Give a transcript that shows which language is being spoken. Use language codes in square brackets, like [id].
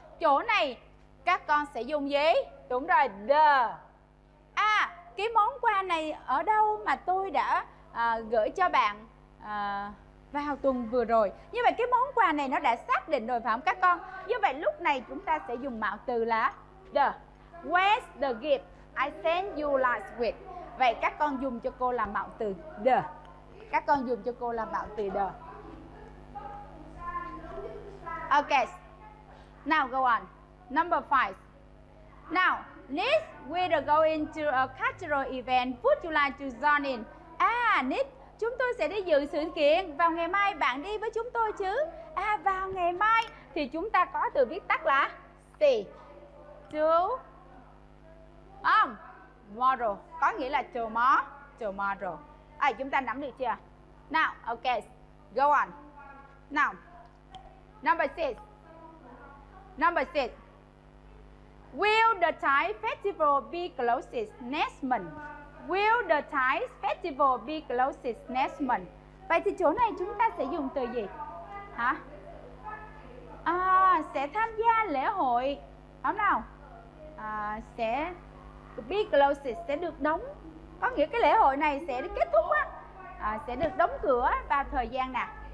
[vi] Chỗ này các con sẽ dùng gì? Đúng rồi, the. À, cái món quà này ở đâu mà tôi đã gửi cho bạn vào tuần vừa rồi? Như vậy cái món quà này nó đã xác định rồi phải không các con? Như vậy lúc này chúng ta sẽ dùng mạo từ là [en] the. Where's the gift I sent you last week? [vi] Vậy các con dùng cho cô là mạo từ [en] the. [vi] Các con dùng cho cô là mạo từ the. [en] Ok. Now go on. Number 5. Now, Liz, we are going to a cultural event. Would you like to join in? [vi] À, Liz, chúng tôi sẽ đi dự sự kiện vào ngày mai, bạn đi với chúng tôi chứ? À, vào ngày mai thì chúng ta có từ viết tắt là tomorrow, có nghĩa là tomorrow. À, chúng ta nắm được chưa? [en] Now, okay. Go on. Now. Number 6. Will the Thai festival be closed next month? Will the Thai festival be closed next month? [vi] Vậy thì chỗ này chúng ta sẽ dùng từ gì? Hả? À, sẽ tham gia lễ hội. Không nào? À, sẽ [en] be closed, [vi] sẽ được đóng. Có nghĩa cái lễ hội này sẽ kết thúc á. À, sẽ được đóng cửa vào thời gian nào?